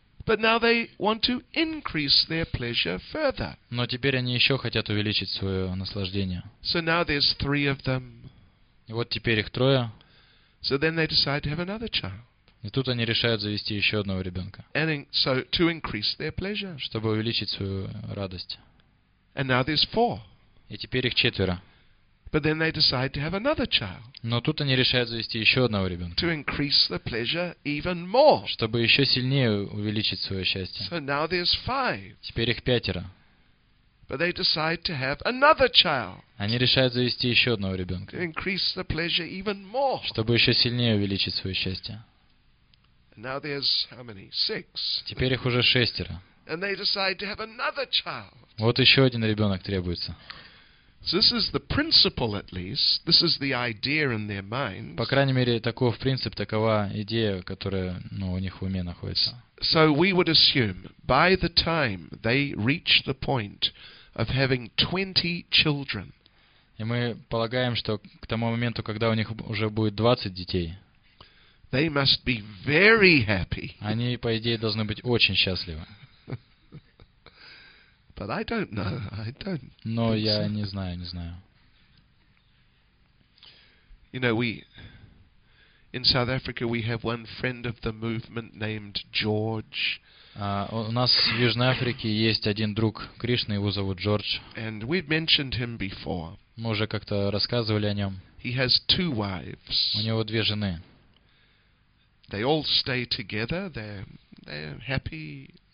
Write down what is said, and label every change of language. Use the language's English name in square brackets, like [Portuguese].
[English] But now they want to increase their pleasure further. [Russian] Но теперь они еще хотят увеличить свое наслаждение. [English] So now there's three of them. [Russian] И вот теперь их трое. [English] So then they decide to have another child. [Russian] И тут они решают завести еще одного ребенка. [English] And so to increase their pleasure. [Russian] Чтобы увеличить свою радость. [English] And now there's four. [Russian] И теперь их четверо. [English] But then they decide to have another child. [Russian] Но тут они решают завести еще одного ребенка. [English] To increase the pleasure even more. [Russian] Чтобы еще сильнее увеличить свое счастье. [English] So now there's five. [Russian] Теперь их пятеро. [English] But they decide to have another child. [Russian] Они решают завести еще одного ребенка. [English] To increase the pleasure even more. [Russian] Чтобы еще сильнее увеличить свое счастье. [English] Now there's how many? Six. [Russian] Теперь их уже шестеро. [English] And they decide to have another child. [Russian] Вот еще один ребенок требуется. [English] So this is the principle, at least. This is the idea in their mind. [Russian] По крайней мере, таков принцип, такова идея, которая, ну, у них в уме находится. [English] So we would assume by the time they reach the point of having 20 children. [Russian] И мы полагаем, что к тому моменту, когда у них уже будет 20 детей, [English] they must be very happy. [Russian] Они, по идее, должны быть очень счастливы. [English] But I don't know. I don't. [Russian] Но я не знаю, не знаю. [English] You know, we in South Africa we have one friend of the movement named George. [Russian] У нас в Южной Африке есть один друг Кришны, его зовут Джордж. [English] And we've mentioned him before. [Russian] Мы уже как-то рассказывали о нем. [English] He has two wives. [Russian] У него две жены. [English] They all stay together. They're happy.